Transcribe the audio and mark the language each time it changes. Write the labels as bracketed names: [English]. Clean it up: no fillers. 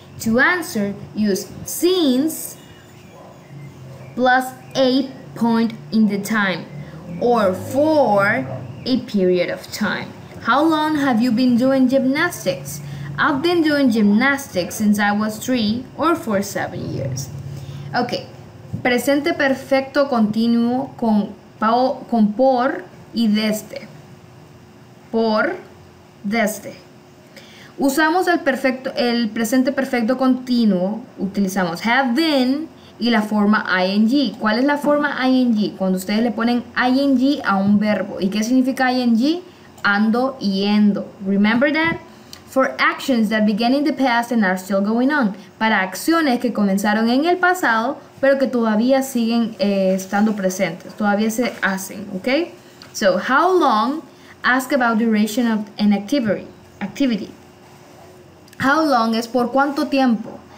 [English] To answer, use since plus a point in the time, or for a period of time. How long have you been doing gymnastics? I've been doing gymnastics since I was 3 or 4, 7 years. [Spanish] Okay, presente perfecto continuo con por y desde. Por, desde. Usamos el presente perfecto continuo, utilizamos [English] have been, [Spanish] y la forma ing. ¿Cuál es la forma ing? Cuando ustedes le ponen ing a un verbo. ¿Y qué significa ing? Ando, yendo. [English] Remember that? For actions that began in the past and are still going on. [Spanish] Para acciones que comenzaron en el pasado, pero que todavía siguen estando presentes. Todavía se hacen, ¿ok? [English] So, how long? Ask about duration of an activity. How long [Spanish] es por cuánto tiempo.